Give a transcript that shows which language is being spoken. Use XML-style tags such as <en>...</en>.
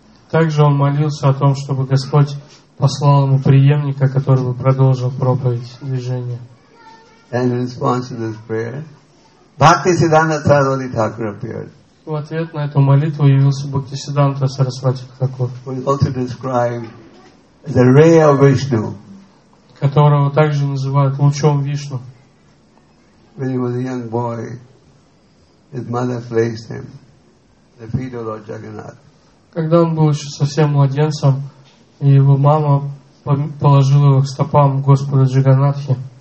<ru>Также он молился о том, чтобы Господь послал ему преемника, который бы продолжил проповедь движения.</ru> <en>And in response to this prayer, Bhaktisiddhanta Saraswati Thakur appeared.</en> <ru>В ответ на эту молитву явился Бхактисиддханта Сарасвати Такур.</ru> <en>Who is also described as a ray of Vishnu.</en> <ru>Которого также называют лучом Вишну.</ru> <en>When he was a young boy, his mother placed him at the feet of Lord Jagannath.</en> <ru>Когда он был еще совсем младенцем, его мама положила его к стопам Господа Джаганнатхи.</ru>